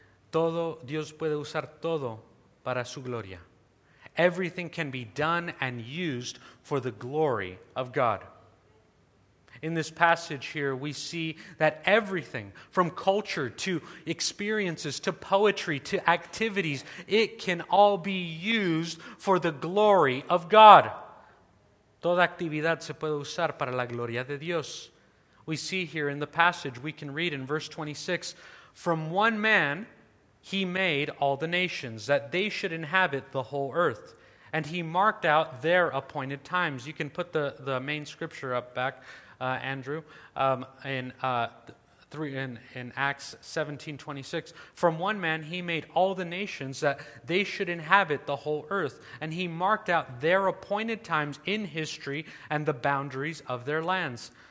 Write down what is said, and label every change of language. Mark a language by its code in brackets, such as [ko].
[es] Todo Dios puede usar todo para su gloria. [en] Everything can be done and used for the glory of God. In this passage here, we see that everything from culture to experiences to poetry to activities, it can all be used for the glory of God. [es] Toda actividad se puede usar para la gloria de Dios. [en] We see here in the passage, we can read in verse 26, "From one man he made all the nations, that they should inhabit the whole earth. And he marked out their appointed times." You can put the main scripture up back, Andrew, in Acts 17:26, "From one man he made all the nations that they should inhabit the whole earth, and he marked out their appointed times in history and the boundaries of their lands."